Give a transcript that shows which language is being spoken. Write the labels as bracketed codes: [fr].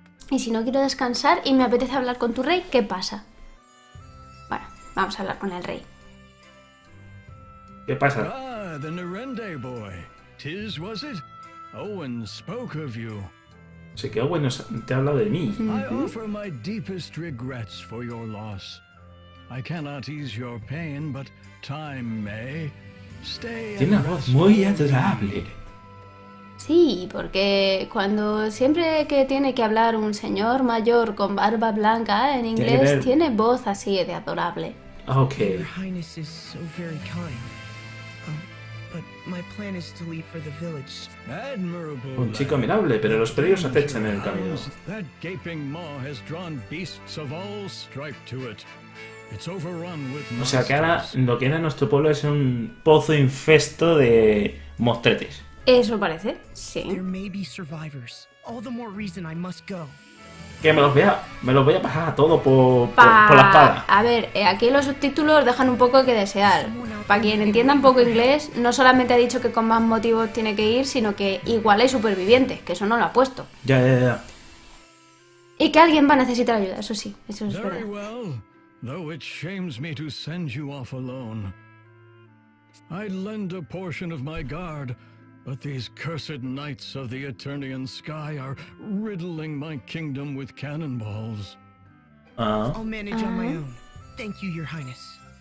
[es] Y si no quiero descansar y me apetece hablar con tu rey, ¿qué pasa? Bueno, vamos a hablar con el rey. ¿Qué pasa? [en] Ah, the Nerende boy. Tis, was it? Owen spoke of you. [es] Sí, que Owen te ha hablado de mí. [en] I offer my deepest regrets for your loss. I cannot ease your pain, but time may. Stay. [es] Tiene una voz muy adorable. Sí, porque cuando siempre que tiene que hablar un señor mayor con barba blanca en inglés tiene voz así de adorable. Okay. [en] Your Highness is so very kind. But my plan is to leave for the village. Admirable. [es] Un chico admirable, pero los peligros acechan en el camino. [en] That gaping maw has drawn beasts of all stripe to it. It's overrun with [es] monsters. O sea que ahora lo que era nuestro pueblo es un pozo infesto de mostretes. Eso parece, sí. [en] There may be survivors. All the more reason I must go. [es] Que me los voy a pasar a todo por la espada. A ver, aquí los subtítulos dejan un poco que desear. Para quien entienda un poco inglés, no solamente ha dicho que con más motivos tiene que ir, sino que igual hay supervivientes, que eso no lo ha puesto. Ya. Y que alguien va a necesitar ayuda, eso sí, eso es verdad. [en] Well, though it shames me to send you off alone. I'd lend a portion of my guard. But these cursed knights of the Eternian sky are riddling my kingdom with cannonballs. I'll manage on my own. Thank you, Your Highness.